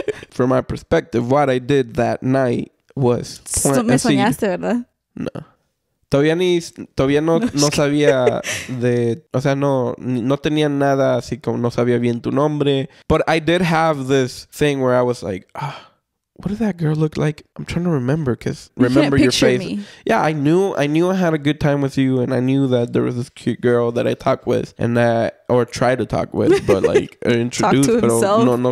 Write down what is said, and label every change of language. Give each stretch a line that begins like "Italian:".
English: From my perspective, what I did that night was...
Spanish: Me soñaste, ¿verdad? No. Todavía no sabía de, o sea, no tenía nada, así como no sabía bien tu nombre.
English: But I did have this thing where I was like, oh, what did that girl look like? I'm trying to remember, because remember your face. Me. Yeah, I knew I had a good time with you, and I knew that there was this cute girl that I talked with, and that, or tried to talk with, but like, introduced. Talk to himself.